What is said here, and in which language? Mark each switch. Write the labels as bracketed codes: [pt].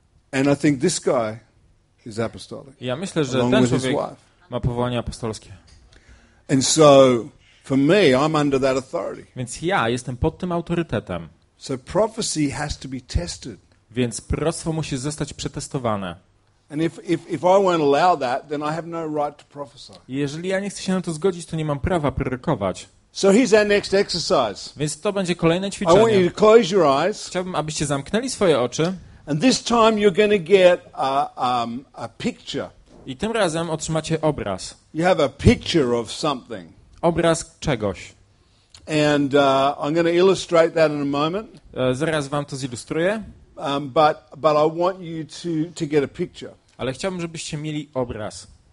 [en] And I think this guy is apostolic. [pl] Ja myślę, że ten człowiek ma powołanie apostolskie. [en] And so for me I'm under that authority. [pl] Więc ja jestem pod tym autorytetem. [en] So prophecy has to be tested. [pl] Więc proroctwo musi zostać przetestowane. [en] And if I won't allow that, then I have no right to prophesy. [pl] Jeżeli ja nie chcę się na to zgodzić, to nie mam prawa prorokować. [en] So here's our next exercise. [pl] Więc to będzie kolejne ćwiczenie. [en] I want you to close your eyes. [pl] Chciałbym, abyście zamknęli swoje oczy. [en] And this time you're going to get a picture. [pl] I tym razem otrzymacie obraz. [en] You have a picture of something. [pl] Obraz czegoś. [en] And I'm going to illustrate that in a moment. [pl] Zaraz wam to zilustruję. [en] But I want you to get a picture. [pl] Ale chciałbym, żebyście mieli obraz.